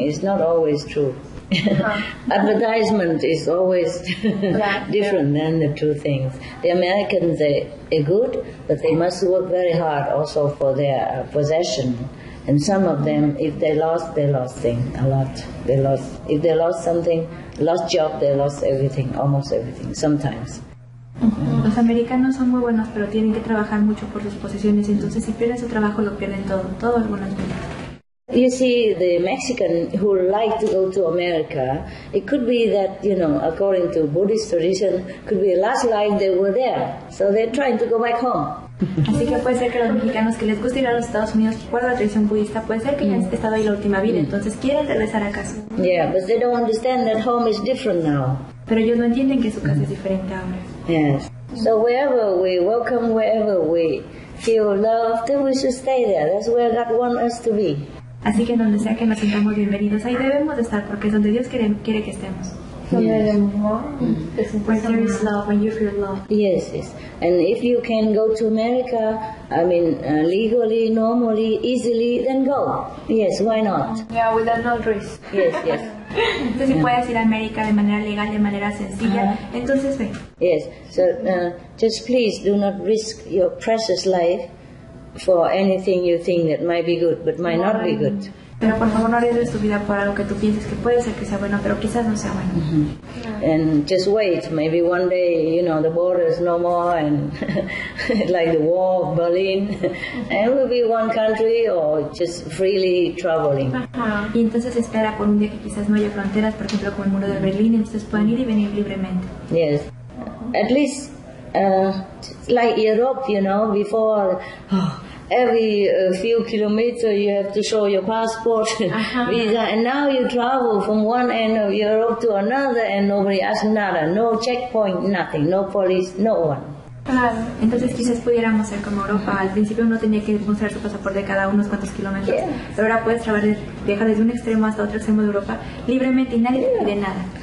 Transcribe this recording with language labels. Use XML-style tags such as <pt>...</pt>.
<en>It's not always true. Advertisement is always different than the true things. The Americans, they are good, but they must work very hard also for their possession. And some of them, if they lost, they lost things a lot. They lost, if they lost something, lost job, they lost everything, almost everything, sometimes. Uh-huh.</en> <es>Los americanos son muy buenos, pero tienen que trabajar mucho por sus posesiones. Entonces, si pierden su trabajo, lo pierden todo, todo algunas veces.</es> <en>You see, the Mexican who like to go to America, it could be that, you know, according to Buddhist tradition, could be the last life they were there. So they're trying to go back home.</en> <es>Así que puede ser que los mexicanos que les gusta ir a los Estados Unidos por la tradición budista, puede ser que hayan estado ahí la última vida, entonces quieren regresar a casa.</es> <en>Yeah, but they don't understand that home is different now.</en> <es>Pero ellos no entienden que su casa es diferente ahora.</es> <en>Yes. So wherever we welcome, wherever we feel love, then we should stay there. That's where God wants us to be.</en> <es>Así que donde sea que nos sintamos bienvenidos, ahí debemos estar porque es donde Dios quiere que estemos.</es> <en>Yes. When there is love, when you feel love. Yes, yes. And if you can go to America, I mean, legally, normally, easily, then go. Yes, why not? Yeah, without no risk. Yes, yes.</en> <es>Entonces, si puedes ir a América de manera legal, de manera sencilla, entonces ve.</es> <en>Yes, so just please do not risk your precious life for anything you think that might be good, but might not be good.</en> <es>Pero por favor no arriesgues tu vida por algo que tú pienses que puede ser que sea bueno, pero quizás no sea bueno.</es> <en>Mm-hmm. Yeah. And just wait, maybe one day, you know, the border is no more, and like the wall of Berlin, and we'll be one country or just freely traveling.</en> <es>Uh-huh. Y entonces espera por un día que quizás no haya fronteras, por ejemplo, con el muro de Berlín, entonces pueden ir y venir libremente.</es> <en>Yes. Uh-huh. At least, like Europe, you know, before, every few kilometers you have to show your passport, visa, and now you travel from one end of Europe to another and nobody asks nada, no checkpoint, nothing, no police, no one.</en> <es>Claro, entonces quizás pudiéramos ser como Europa. Al principio uno tenía que mostrar su pasaporte cada unos cuantos kilómetros.</es> <en>Yeah.</en> <es>Pero ahora puedes viajar desde un extremo hasta otro extremo de Europa libremente y nadie te pide nada.</es>